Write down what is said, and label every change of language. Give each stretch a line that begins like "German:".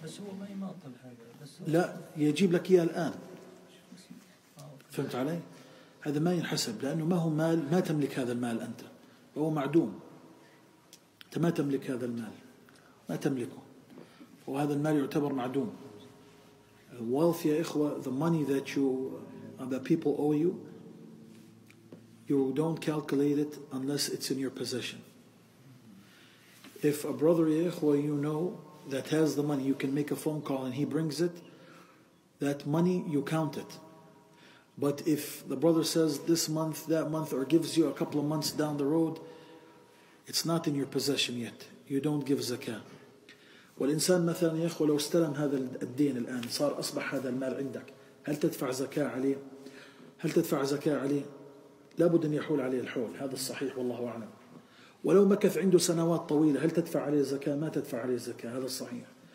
Arabic: بس هو ما يماطل هذا، بس لا يجيب لك اياه الان. فهمت علي؟ هذا ما ينحسب لانه ما هو مال، ما تملك هذا المال انت، هو معدوم، انت ما تملك هذا المال، ما تملكه، وهذا المال يعتبر معدوم.
English: Wealth
Arabic: يا اخوه،
English: the money that you the people owe you, you don't calculate it unless it's in your possession. If a brother,
Arabic: ya ikhwa,
English: you know that has the money, you can make a phone call and he brings it, that money, you count it. But if the brother says this month, that month, or gives you a couple of months down the road, it's not in your possession yet. You don't give zakah.
Arabic: والإنسان مثلا يا إخوة لو استلم هذا الدين الآن، صار أصبح هذا المال عندك، هل تدفع زكاة عليه؟ هل تدفع زكاة عليه؟ لابد أن يحول عليه الحول، هذا الصحيح والله أعلم. ولو مكث عنده سنوات طويلة، هل تدفع عليه زكاة؟ ما تدفع عليه زكاة، هذا الصحيح.